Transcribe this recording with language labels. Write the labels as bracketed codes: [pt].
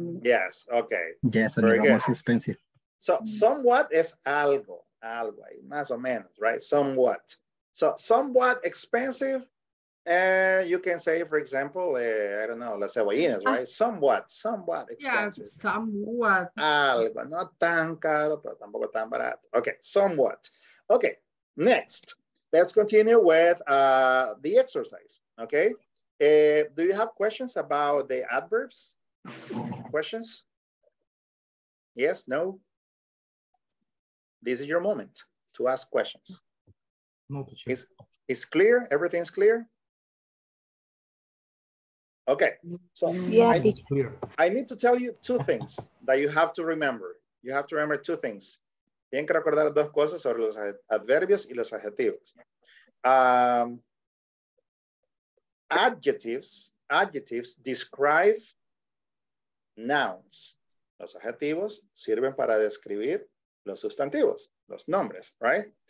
[en] Yes, okay. Yes, Roma is expensive. [es] So somewhat es algo. Algo, más o menos, right? Somewhat. [en] So somewhat expensive. You can say, for example, I don't know, [es] las cebollinas, [en] right? Somewhat expensive. Yeah, somewhat. [es] Algo, no tan caro, pero tampoco tan barato. [en] Okay, somewhat. Okay, next. Let's continue with the exercise, okay? Do you have questions about the adverbs? Questions? Yes, no? This is your moment to ask questions. Is clear? Everything's clear? Okay, so yeah, I need to tell you two things that you have to remember. You have to remember two things. [es] Tienen que recordar dos cosas sobre los adverbios y los adjetivos. [en] Adjectives describe nouns. [es] Los adjetivos sirven para describir los sustantivos, los nombres, right?